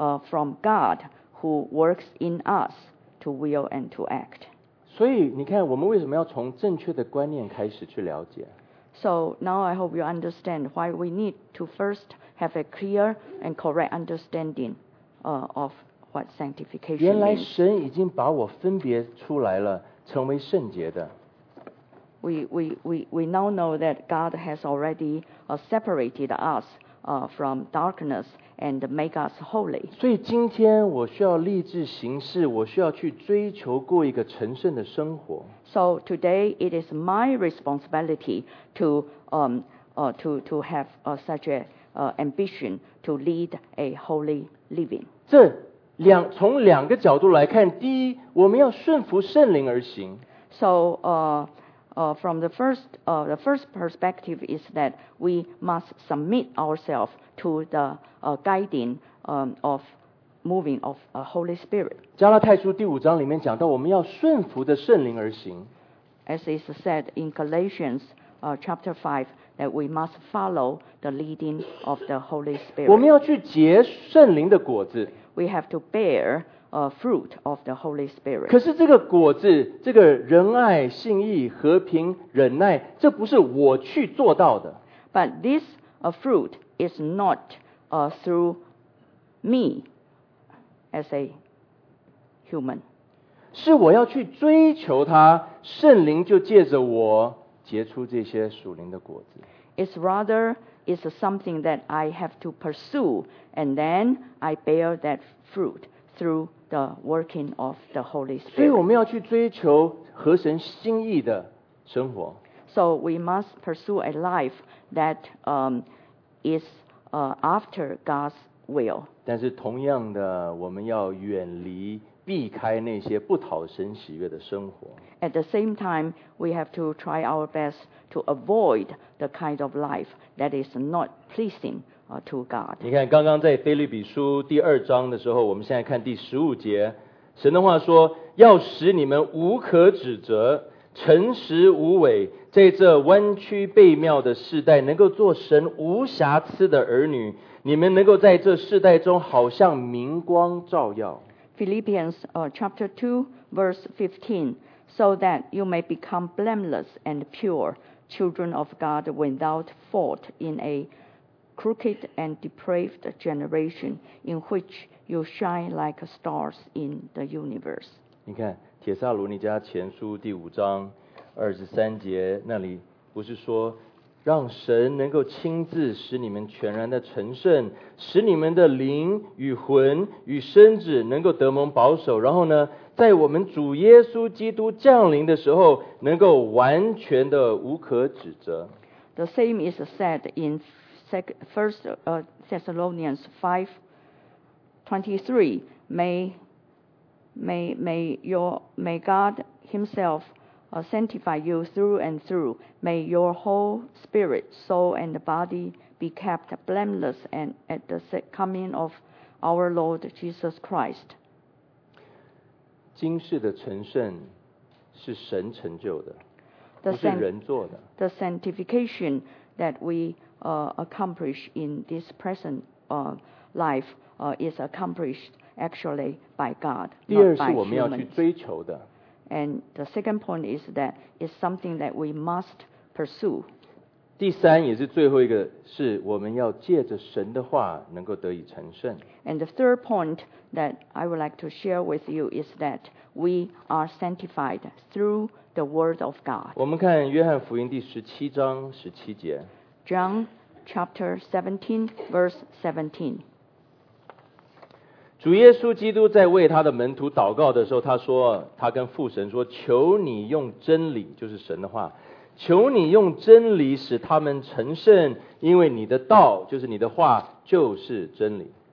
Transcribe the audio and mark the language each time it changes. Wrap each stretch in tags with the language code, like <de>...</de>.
<en>From God who works in us to will and to act.</en> <zh>所以你看我们为什么要从正确的观念开始去了解。</zh> <en>So now I hope you understand why we need to first have a clear and correct understanding of what sanctification means.</en> <zh>原来神已经把我分别出来了，成为圣洁的。</zh> <en>We now know that God has already separated us from darkness and make us holy.</en> <zh>所以今天我需要立志行事，我需要去追求过一个成圣的生活。</zh> <en>So today it is my responsibility to have such ambition to lead a holy living.</en> <zh>这两从两个角度来看，第一，我们要顺服圣灵而行。</zh> <en>So, from the first perspective is that we must submit ourselves to the guiding of moving of a Holy Spirit.</en> <zh>加拉太书第五章里面讲到，我们要顺服的圣灵而行。</zh> <en>As is said in Galatians chapter 5, that we must follow the leading of the Holy Spirit.</en> <zh>我们要去结圣灵的果子。</zh> <en>We have to bear a fruit of the Holy Spirit.</en> <zh>可是这个果子，这个仁爱、信义、和平、忍耐，这不是我去做到的。</zh> <en>But this fruit is not through me as a human.</en> <zh>是我要去追求它，圣灵就借着我结出这些属灵的果子。</zh> <en>It's rather is something that I have to pursue, and then I bear that fruit through the working of the Holy Spirit.</en> <zh>所以我们要去追求合神心意的生活。</zh> <en>So we must pursue a life that is after God's will.</en> <zh>但是同样的，我们要远离避开那些不讨神喜悦的生活。</zh> <en>At the same time, we have to try our best to avoid the kind of life that is not pleasing to God.</en> <zh>你看，刚刚在腓立比书第二章的时候，我们现在看第十五节，神的话说，要使你们无可指责，诚实无伪，在这弯曲悖谬的世代，能够做神无瑕疵的儿女，你们能够在这世代中好像明光照耀。</zh> <en>Philippians chapter 2, verse 15, so that you may become blameless and pure, children of God without fault in a crooked and depraved generation in which you shine like stars in the universe.</en> <zh>你看，帖撒罗尼迦前书第五章二十三节，那里不是说让神能够亲自使你们全然的成圣，使你们的灵与魂与身子能够得蒙保守，然后呢，在我们主耶稣基督降临的时候，能够完全的无可指责。</zh> <en>The same is said in First Thessalonians 5:23. May God Himself sanctify you through and through. May your whole spirit, soul, and body be kept blameless and at the coming of our Lord Jesus Christ.</en> <zh>今世的成圣是神成就的，不是人做的。</zh> <en>The sanctification that we accomplish in this present life is accomplished actually by God, not by humans.</en> <zh>第二是我们要去追求的。</zh> <en>And the second point is that it's something that we must pursue.</en> <zh>第三也是最后一个，是我们要借着神的话能够得以成圣。</zh> <en>And the third point that I would like to share with you is that we are sanctified through the word of God.</en> <zh>我们看约翰福音第十七章十七节。</zh> <en>John chapter 17, verse 17.</en> <zh>主耶稣基督在为他的门徒祷告的时候，他说，他跟父神说，求你用真理，就是神的话，求你用真理使他们成圣，因为你的道，就是你的话，就是真理。</zh>